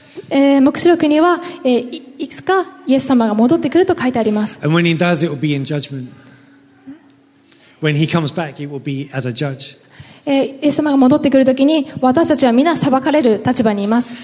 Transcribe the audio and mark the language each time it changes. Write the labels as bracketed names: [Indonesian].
[Japanese] 黙示録には、いつかイエス様が戻ってくると書いてあります。 [English] And when he does, it will be in judgment. When he comes back, it will be as a judge. [Japanese] イエス様が戻ってくるときに私たちは皆裁かれる立場にいます。